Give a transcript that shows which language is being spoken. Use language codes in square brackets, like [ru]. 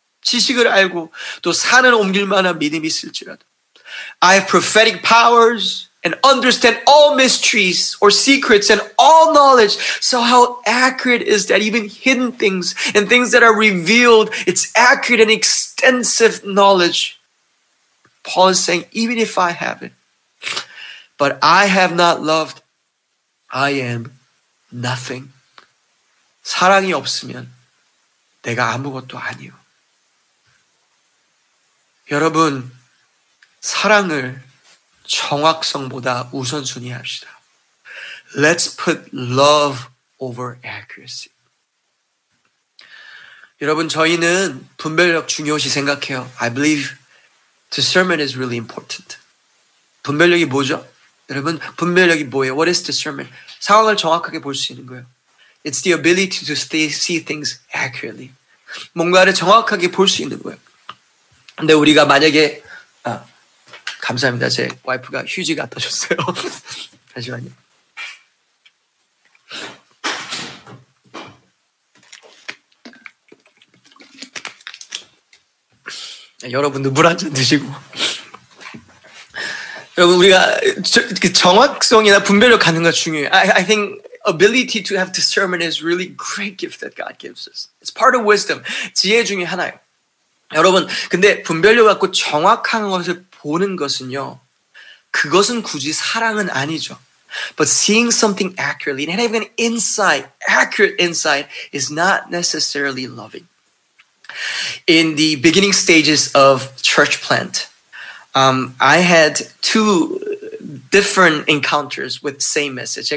[ko] 지식을 알고 또 산을 옮길 만한 믿음이 있을지라도. [en] I have prophetic powers and understand all mysteries or secrets and all knowledge. So how accurate is that? Even hidden things and things that are revealed, it's accurate and extensive knowledge. Paul is saying, even if I have it, but I have not loved, I am nothing. [ko] 사랑이 없으면 내가 아무것도 아니요. 여러분, 사랑을 정확성보다 우선순위 합시다. [en] Let's put love over accuracy. [ko] 여러분, 저희는 분별력 중요시 생각해요. [en] I believe discernment is really important. [ko] 분별력이 뭐죠? 여러분, 분별력이 뭐예요? [en] What is discernment? [ko] 상황을 정확하게 볼 수 있는 거예요. [en] It's the ability to see things accurately. [ko] 뭔가를 정확하게 볼 수 있는 거예요. 근데 우리가 만약에 감사합니다. 제 와이프가 휴지 갖다 줬어요. 잠시만요. 여러분도 물 한 잔 드시고. 여러분, 우리가 정확성이나 분별력 갖는 거 중요해요. [en] I think ability to have discernment is really great gift that God gives us. It's part of wisdom. [ko] 지혜 중에 하나예요. 여러분, 근데 분별력 갖고 정확한 것을 보는 것은요, 그것은 굳이 사랑은 아니죠. [en] But seeing something accurately and having an insight, accurate insight, is not necessarily loving. In the beginning stages of church plant, I had two different encounters with same message.